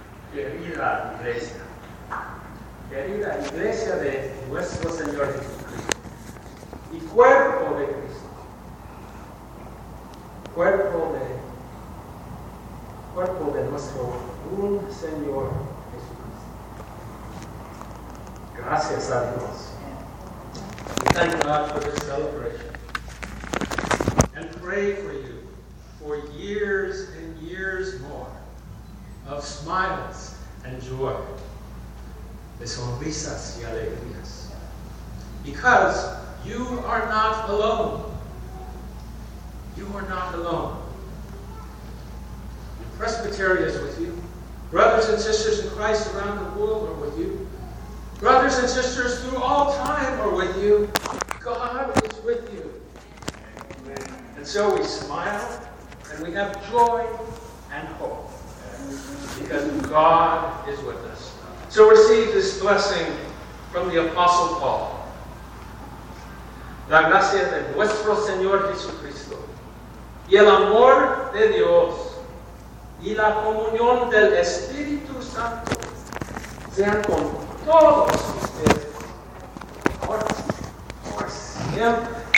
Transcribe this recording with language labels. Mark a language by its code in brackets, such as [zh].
[es] Querida iglesia, querida iglesia de nuestro Señor Jesucristo y cuerpo de Cristo, cuerpo de nuestro un Señor Jesucristo. Gracias a Dios. [en] Thank God for this celebration and pray for you for years and years more of smiles and joy, [es] de sonrisas y alegrías, [en] because you are not alone. You are not alone. The Presbyterian is with you. Brothers and sisters in Christ around the world are with you. Brothers and sisters through all time are with you. God is with you. Amen. And so we smile, and we have joy and hope, because God is with us. So receive this blessing from the Apostle Paul. [es] La gracia de nuestro Señor Jesucristo, y el amor de Dios, y la comunión del Espíritu Santo, sean con todos ustedes, ahora y por siempre.